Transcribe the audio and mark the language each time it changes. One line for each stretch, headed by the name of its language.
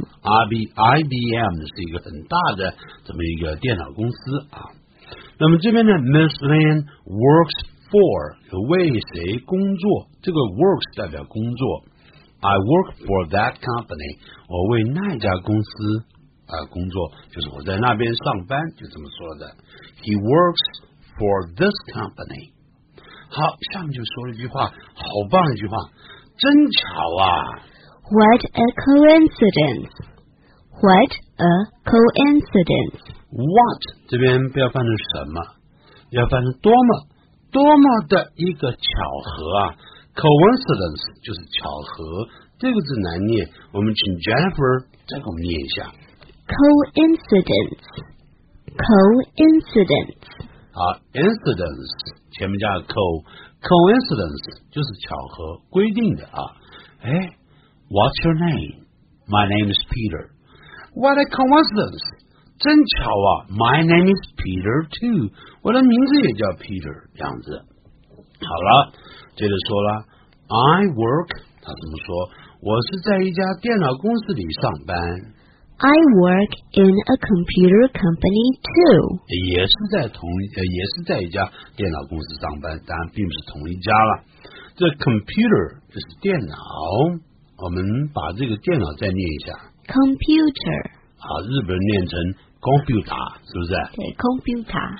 Chinese: IBM 是一个很大的这么一个电脑公司啊。那么这边呢 ，
English: Miss Lin works for
Chinese: 为谁工作？这个 works 代表工作。
English: I work for that company.
Chinese: 我为那家公司啊、工作，就是我在那边上班，就这么说的。
English: He works for this company.
Chinese: 好，下面就说了一句话，好棒的一句话。真巧啊
English: What a coincidence What a coincidence
Chinese: What 这边不要翻成什么要翻成多么多么的一个巧合啊 Coincidence 就是巧合这个字难念我们请 Jennifer 再给我们念一下
English: Coincidence Coincidence
Chinese: 好 Incidence 前面加个 co Coincidence 就是巧合规定的啊哎
English: What's your name? My name is Peter What a coincidence
Chinese: 真巧啊
English: My name is Peter too
Chinese: 我的名字也叫 Peter 这样子好了接着说了
English: I work
Chinese: 他怎么说我是在一家电脑公司里上班
English: I work in a computer company too.
Chinese: 也是在一家电脑公司上班，但并不是同一家了。这 computer 就是电脑，我们把这个电脑再念一下。
English: Computer.
Chinese: 好，日本人念成 computer， 是不是？对 ，computer。